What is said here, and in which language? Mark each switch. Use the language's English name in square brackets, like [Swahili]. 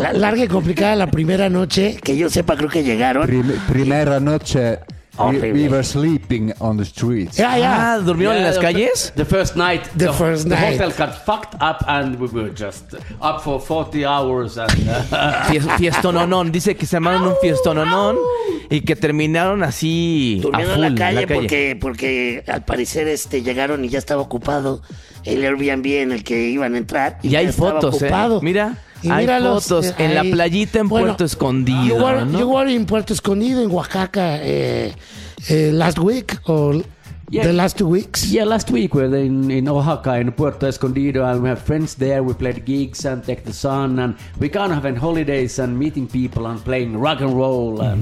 [Spanish] Larga y complicada la primera noche. Que yo sepa, creo que llegaron. Primera noche. [English] We were sleeping on the streets. Yeah, yeah. [Spanish] ¿Durmieron en las calles? [English] The first night. The hotel got fucked up and we were just up for 40 hours. [Spanish] Fiestononón. Dice que se armaron un fiestononón y que terminaron así durmieron a full, en la calle. Porque al parecer llegaron y ya estaba ocupado el Airbnb en el que iban a entrar. Y hay fotos, ocupado. Mira. Y hay fotos en la playita en Puerto Escondido. [English] You were in Puerto Escondido, en Oaxaca, last week or the last 2 weeks? Yeah, last week we were in Oaxaca, in Puerto Escondido, and we have friends there. We played gigs and take the sun, and we kind of had holidays and meeting people and playing rock and roll.